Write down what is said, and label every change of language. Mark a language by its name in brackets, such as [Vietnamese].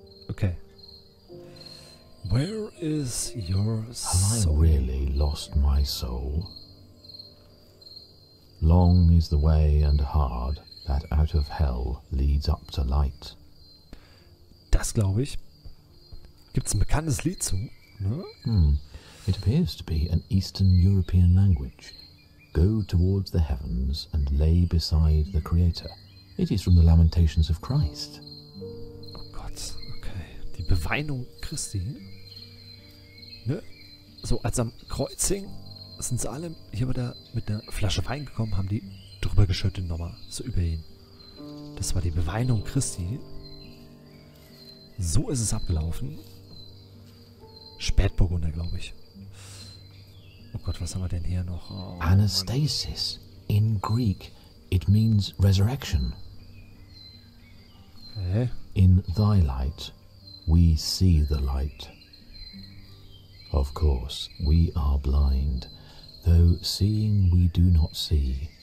[English] Okay. Where is your soul? Have I really lost my soul? Long is the way and hard that out of hell leads up to light. [German] Das glaube ich. Gibt's ein bekanntes Lied zu, ne? [English] It appears to be an Eastern European language. Go towards the heavens and lay beside the Creator. It is from the Lamentations of Christ. [German] Oh Gott, okay. Die Beweinung Christi. Ne? So, als am Kreuz hing, sind sie alle hier mit einer Flasche Wein gekommen, haben die drüber geschüttet nochmal, so über ihn. Das war die Beweinung Christi. So ist es abgelaufen. Spätburgunder, glaube ich. Oh Gott, was haben wir denn hier noch? Oh, [Greek] Anastasis. [English] In Greek, it means resurrection. Okay. In thy light, we see the light. Of course, we are blind. Though seeing, we do not see.